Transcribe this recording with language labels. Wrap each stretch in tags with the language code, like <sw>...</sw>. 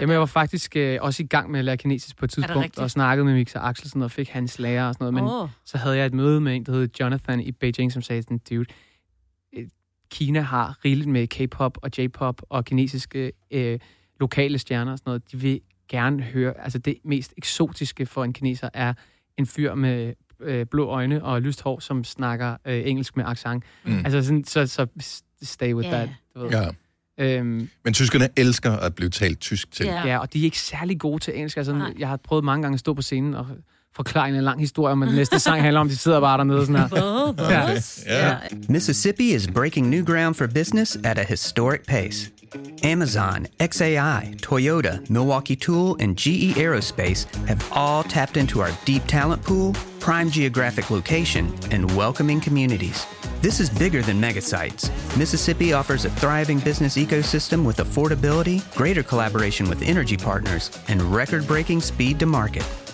<da>Jamen, jeg var faktisk også i gang med at lære kinesisk på et tidspunkt, og snakkede med Mikser Axelsen og fik hans lærer og sådan noget. Men så havde jeg et møde med en, der hedder Jonathan i Beijing, som sagde sådan, dude, Kina har rigeligt med K-pop og J-pop og kinesiske lokale stjerner og sådan noget. De vil gerne høre, altså det mest eksotiske for en kineser er en fyr med blå øjne og lyst hår, som snakker engelsk med accent. Mm. Altså sådan, så</da> <en>stay with that.</en> <da>Du ved. Ja. Men tyskerne elsker at blive talt tysk til. Ja, og de er ikke særlig gode til engelsk. Altså, jeg har prøvet mange gange at stå på scenen og forklaring en lang historie om, at den næste sang handler om, de sidder bare dernede sådan her.</da> <en>Mississippi is breaking new ground for business at a historic pace. Amazon, XAI, Toyota, Milwaukee Tool, and GE Aerospace have all tapped into our deep talent pool, prime geographic location, and welcoming communities. This is bigger than megasites. Mississippi offers a thriving business ecosystem with affordability, greater collaboration with energy partners, and record-breaking speed to market.</en>